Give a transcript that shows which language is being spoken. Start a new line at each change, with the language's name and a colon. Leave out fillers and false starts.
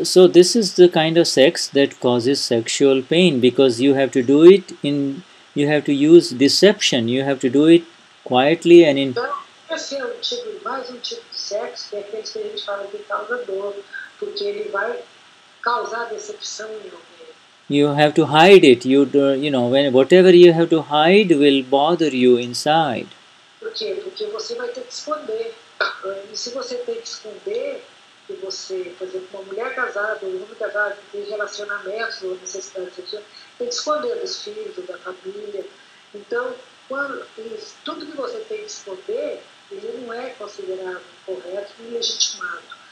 English: So this is the kind of sex that causes sexual pain, because you have to do it in, you have to use deception, you have to do it quietly and in...
Portuguese: Então, esse é um tipo de sexo que é aquele que a gente fala que causa dor, porque ele vai causar decepção em alguém.
English: You have to hide it, whatever you have to hide will bother you inside.
Portuguese: Por quê? Porque você vai ter que esconder, e se você tem que esconder... que você, por exemplo, uma mulher casada, um homem casado, tem relacionamentos ou necessidades, tem que esconder dos filhos, da família. Então, tudo que você tem que esconder, ele não é considerado correto e legitimado.